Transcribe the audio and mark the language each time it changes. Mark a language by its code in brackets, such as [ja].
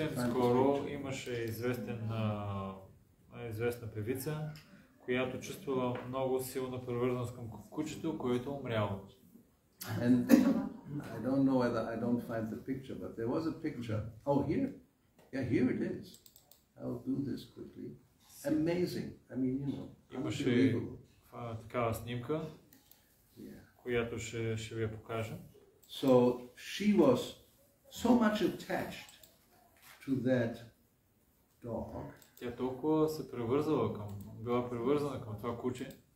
[bg] Скоро имаше известна певица, която чувствала много силна привързаност към кучето, което умряло. [en] And I don't know whether I don't find the picture, but there was a picture. Oh, here. Yeah, here it is. I'll do this quickly. Amazing. I mean, you know, unbelievable. [bg] Такава снимка, която ще ви я покажа. [en] So she was so much attached to that dog. [bg] Тя толкова се привързала към, била привързана към това куче.